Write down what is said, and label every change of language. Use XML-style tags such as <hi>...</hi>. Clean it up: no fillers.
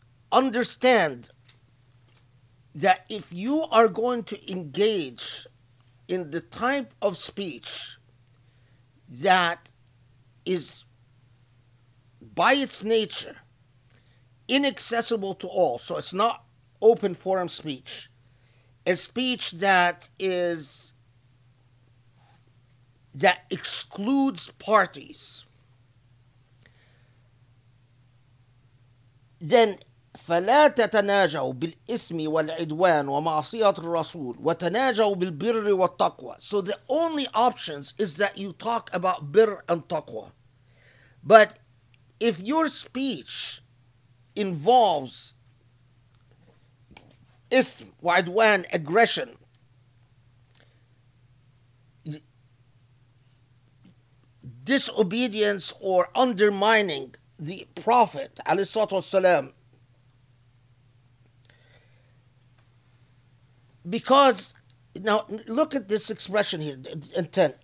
<en>understand that if you are going to engage in the type of speech that is by its nature inaccessible to all, so it's not open forum speech, a speech that is that excludes parties, then</en> <ar>فلا تتناجوا بالإثم والعدوان ومعصية الرسول وتناجوا بالبر والتقوى.</ar> <en>So the only options is that you talk about birr and taqwa. But if your speech involves</en> <ar>إثم وعدوان,</ar> <en>aggression, disobedience or undermining the Prophet</en> <ar>عليه الصلاة والسلام,</ar> <en>because now look at this expression here, intent.</en>